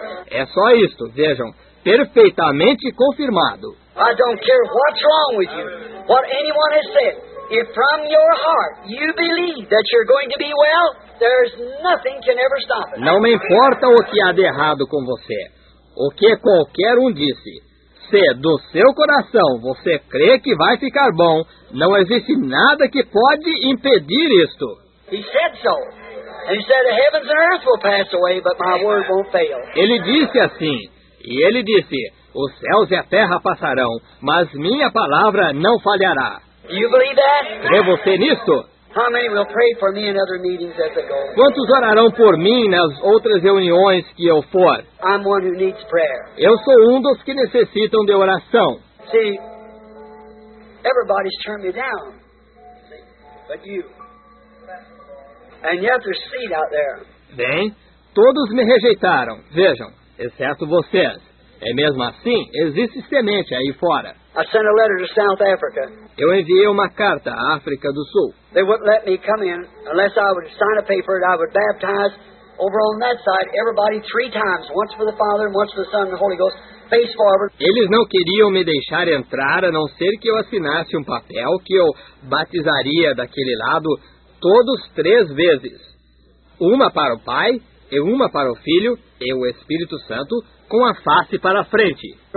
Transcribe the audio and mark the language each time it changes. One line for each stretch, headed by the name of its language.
Portuguese: É só isto, vejam, perfeitamente confirmado.
English: I don't care what's wrong with you, what anyone has said. If from your heart you believe that you're going to be well, there's nothing can ever stop it.
Portuguese: Não me importa o que há de errado com você, o que qualquer um disse. Se do seu coração você crê que vai ficar bom, não existe nada que pode impedir isto.
English: He said so. He said, the heavens and earth will pass away, but my word won't fail.
Portuguese: Ele disse assim, e ele disse, os céus e a terra passarão, mas minha palavra não falhará.
English: Do you believe that?
Portuguese: Crê você nisto?
English: How many will pray for me in other meetings as I go?
Portuguese: Quantos orarão por mim nas outras reuniões que eu for?
English: I'm one who needs prayer.
Portuguese: Eu sou um dos que necessitam de oração.
English: See, everybody's turned me down, but you. And yet there's seed out there.
Portuguese: Bem, todos me rejeitaram, vejam, exceto vocês. É mesmo assim, existe semente aí fora.
English: I sent a letter to South Africa.
Portuguese: Eu enviei uma carta à África do Sul.
English: They wouldn't let me come in unless I would sign a paper that I would baptize over on that side everybody 3 times, once for the Father, once for the Son and the Holy Ghost. face forward.
Portuguese: Eles não queriam me deixar entrar a não ser que eu assinasse um papel que eu batizaria daquele lado todos três vezes. Uma para o Pai, e uma para o Filho e o Espírito Santo, com a face para a frente.